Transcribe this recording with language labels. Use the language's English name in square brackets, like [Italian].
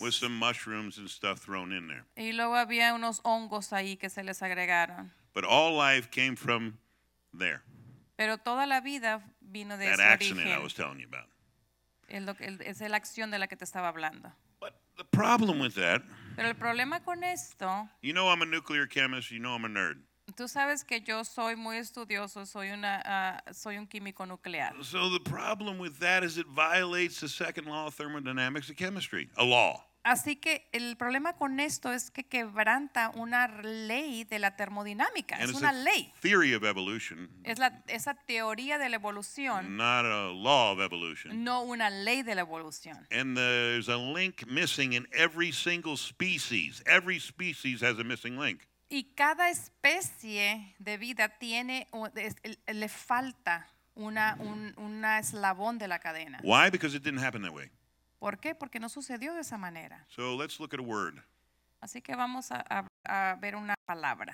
[English] With some mushrooms and stuff thrown in there. [Spanish] Y luego había unos hongos ahí que se les agregaron. [English] But all life came from there. [Spanish] Pero toda la vida vino de [English] that [Spanish] ese [English] accident [Spanish] origen. [English] I was telling you about. [Spanish] Es la acción de la que te estaba hablando. [English] But the problem with that. [Spanish] Pero el problema con esto. [English] You know I'm a nuclear chemist. You know I'm a nerd. [Spanish] Tú sabes que yo soy muy estudioso, soy un químico nuclear. [English] So the problem with that is it violates the second law of thermodynamics of chemistry, a law. [Spanish] Así que el problema con esto es que quebranta una ley de la termodinámica, [English] and [Spanish] es una ley. [English] Theory of evolution. [Spanish] Es la esa teoría de la evolución. [English] Not a law of evolution. [Spanish] No una ley de la evolución. [English] And there's a link missing in every single species. Every species has a missing link. [Spanish] Y cada especie de vida tiene le falta una eslabón de la cadena. [English] Why? Because it didn't happen that way. [Spanish] ¿Por qué? Porque no sucedió de esa manera. [English] So let's look at a word. [Spanish] Así que vamos a ver una palabra.